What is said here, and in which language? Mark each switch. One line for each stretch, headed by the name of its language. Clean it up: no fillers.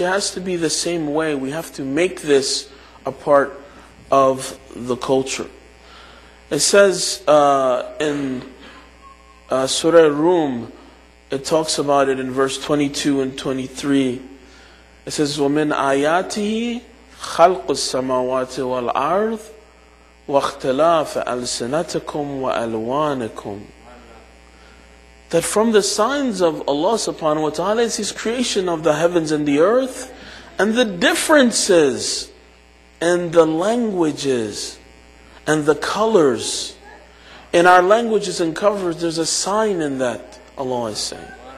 English: It has to be the same way. We have to make this a part of the culture. It says in Surah Rum, it talks about it in verse 22 and 23. It says,
Arabic: وَمِنْ آيَاتِهِ خلق السماوات والأرض واختلاف ألسنتكم وألوانكم.
English: that from the signs of Allah subhanahu wa ta'ala is His creation of the heavens and the earth, and the differences in the languages and the colors in our languages and covers, there's a sign in that, Allah is saying.